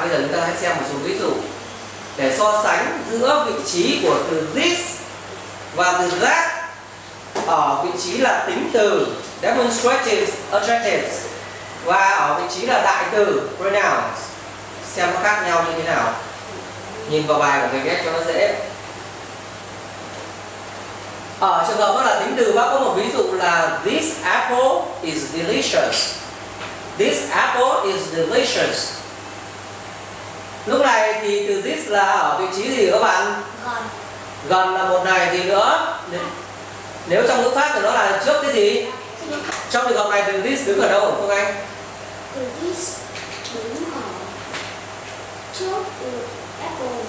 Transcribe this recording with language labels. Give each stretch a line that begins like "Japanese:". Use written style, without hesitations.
Vietnamese: Bây giờ chúng ta hãy xem một số ví dụ để so sánh giữa vị trí của từ this và từ that ở vị trí là tính từ demonstrative adjectives và ở vị trí là đại từ pronouns, xem nó khác nhau như thế nào. nhìn vào bài của mình nhé cho nó dễ. Ở trường hợp đó là tính từ, bác có một ví dụ là
English: this apple is delicious. This apple is delicious.
Vietnamese: Lúc này thì từ this là ở vị trí gì các bạn? Gần. Gần là một này gì nữa? Nếu trong ngữ pháp thì nó là trước cái gì? Trong trường hợp này từ this đứng ở đâu Phương Anh? Từ this đứng ở trước apple.